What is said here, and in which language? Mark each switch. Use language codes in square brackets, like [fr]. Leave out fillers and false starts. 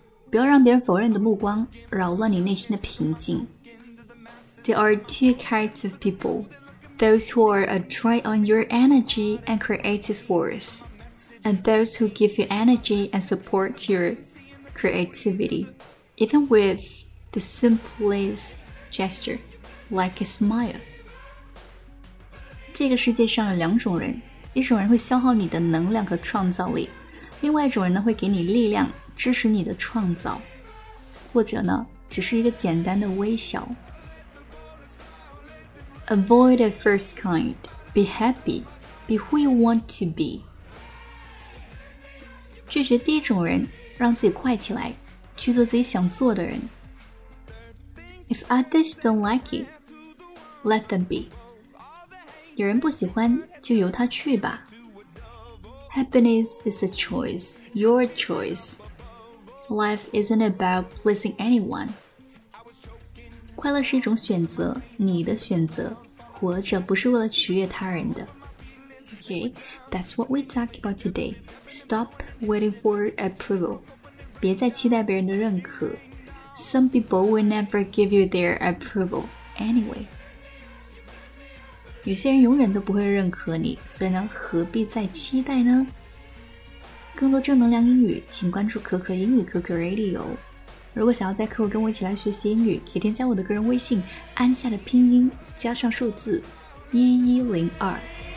[zh] 不要让别人否认的目光扰乱你内心的平静。 [en] There are two kinds of people， those who are a drain on your energy and creative force， and those who give you energy and support your creativity， even with the simplest gesture like a smile。 [zh] 这个世界上有两种人，一种人会消耗你的能量和创造力，另外一种人呢会给你力量，支持你的创造，或者呢只是一个简单的微笑。 [en] Avoid the first kind. Be happy. Be who you want to be. [zh] 拒绝第一种人，让自己快起来，去做自己想做的人。 [en] If others don't like it, let them be. [zh] 有人不喜欢就由他去吧。 [en] Happiness is a choice, your choice. Life isn't about pleasing anyone. [zh] 快乐是一种选择，你的选择，活着不是为了取悦他人的。 [en] Okay, that's what we talk about today. Stop waiting for approval. [zh] 别再期待别人的认可。 [en] Some people will never give you their approval anyway. [zh] 有些人永远都不会认可你，所以呢，何必再期待呢？更多正能量英语，请关注可可英语可可 Radio。如果想要在课后跟我一起来学习英语，可以添加我的个人微信，安夏的拼音加上数字1102。